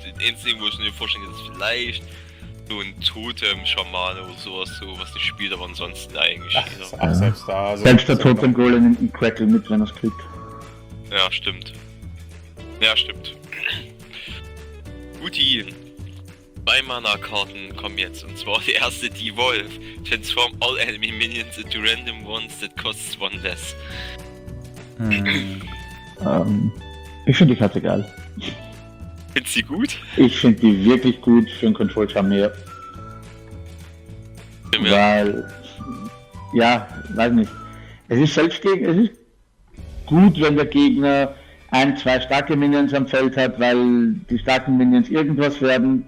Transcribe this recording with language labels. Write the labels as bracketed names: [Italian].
[German] In Endsing, wo ich mir vorstellen kann, ist vielleicht so ein Totem-Schamane oder sowas, so was nicht spielt, aber ansonsten eigentlich. Ach, selbst da. So selbst der Totem-Golem nimmt einen Crackle mit, wenn er es kriegt. Ja, stimmt. Ja, stimmt. Guti. 2 Mana-Karten kommen jetzt und zwar die erste, die Wolf. [English] Transform all enemy minions into random ones that costs one less. [German] Ich finde die Karte geil. Findest du die gut? Ich finde die wirklich gut für ein Control-Charmeer. Weil, ja, weiß nicht. Es ist selbst gegen, es ist gut, wenn der Gegner 1-2 starke Minions am Feld hat, weil die starken Minions irgendwas werden.